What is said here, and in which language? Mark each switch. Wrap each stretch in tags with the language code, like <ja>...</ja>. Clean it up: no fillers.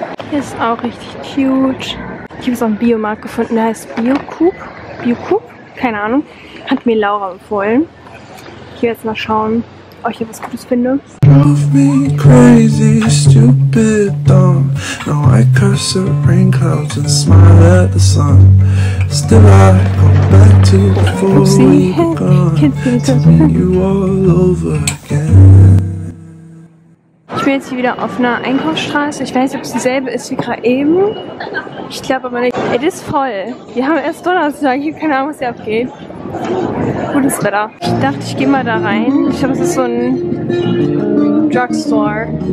<de>Hier ist auch richtig cute. Ich habe so einen Biomarkt gefunden, der heißt Biocoop. Biocoop? Keine Ahnung. Hat mir Laura empfohlen. Ich werde jetzt mal schauen, ob ich hier was Gutes finde.</de> <en>Love me crazy, stupid, dumb. No, I curse at rain clouds and smile at the sun. Still I come back to before we begun. To meet you all over again.</en> <de>Ich bin jetzt hier wieder auf einer Einkaufsstraße. Ich weiß nicht, ob es dieselbe ist wie gerade eben. Ich glaube aber nicht. Es ist voll. Wir haben erst Donnerstag. Ich habe keine Ahnung, was hier abgeht. Gutes Wetter. Ich dachte, ich gehe mal da rein. Ich glaube, es ist so ein Drugstore.</de>